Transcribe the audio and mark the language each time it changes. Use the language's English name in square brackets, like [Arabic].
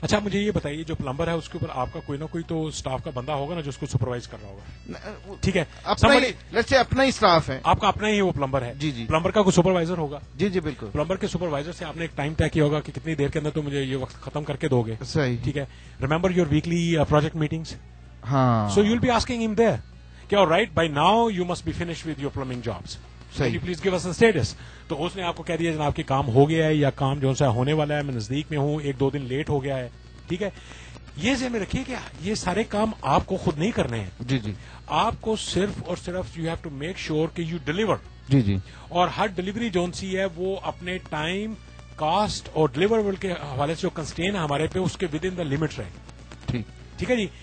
[Urdu] اچھا مجھے یہ بتائیے جو پلمبر ہے اس کے اوپر آپ کا کوئی نہ کوئی تو سٹاف کا بندہ ہوگا نا جو اس کو سپروائز کر رہا ہوگا. ٹھیک ہے. [English] let's say [Urdu] اپنا ہی سٹاف ہے آپ کا, اپنا ہی وہ پلمبر ہے. جی جی. پلمبر کا کوئی سپروائزر ہوگا. جی جی بالکل. پلمبر کے سپروائزر سے آپ نے ایک ٹائم طے کیا ہوگا کہ کتنی دیر کے اندر تو مجھے یہ وقت ختم کر کے دو گے. صحیح. ٹھیک ہے. [English] Remember your weekly project meetings. [Urdu] ہاں. [English] So you will be asking him there All right, by now you must be finished with your plumbing jobs. [Urdu] Sahi. [English] Can you please give us a status? [Urdu] تو اس نے آپ کو کہہ دیا جناب کہ کام ہو گیا ہے یا کام جو ہونے والا ہے میں نزدیک میں ہوں, ایک دو دن لیٹ ہو گیا ہے. ٹھیک ہے. یہ ذہن میں رکھیے کہ یہ سارے کام آپ کو خود نہیں کرنے ہیں. جی جی. آپ کو صرف اور صرف [English] you have to make sure [Urdu] کہ [English] You deliver. [Urdu] جی جی. اور ہر ڈلیوری جو سی ہے وہ اپنے ٹائم, کاسٹ اور ڈلیوریبل کے حوالے سے جو کنسٹرین ہے ہمارے پہ اس کے [English] with in the limit [Urdu] رہے. ٹھیک ہے جی.